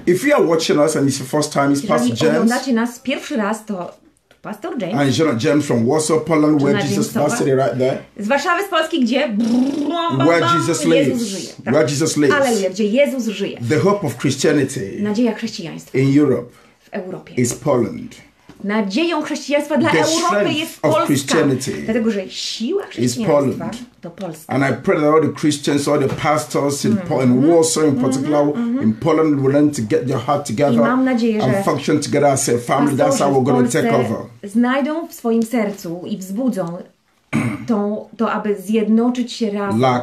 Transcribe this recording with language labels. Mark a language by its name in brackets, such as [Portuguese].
[English] If you are watching us and it's the first time, it's Pastor James. [Polish] Jeżeli oglądacie nas pierwszy raz, to Pastor James. [English] And John James from Warsaw, Poland, where Jesus pastored it right there. [Polish] Z Warszawy, z Polski, gdzie? [English] Where Jesus lives. Where Jesus lives. [Polish] Aleluja, gdzie Jezus żyje. [English] The hope of Christianity. [Polish] Nadzieja chrześcijaństwa. [English] In Europe. [Polish] W Europie. [English] Is Poland. [Polish] Nadzieją chrześcijaństwa dla Europy jest Polska. Dlatego, że siła chrześcijaństwa to Polska. [English] And I pray that all the Christians, all the pastors in, in Warsaw in particular, in Poland will learn to get their heart together. [Polish] I mam nadzieję, [English] and function together as a family. That's how we're going to take over. [Polish] Znajdą w swoim sercu i wzbudzą to, to aby zjednoczyć się razem.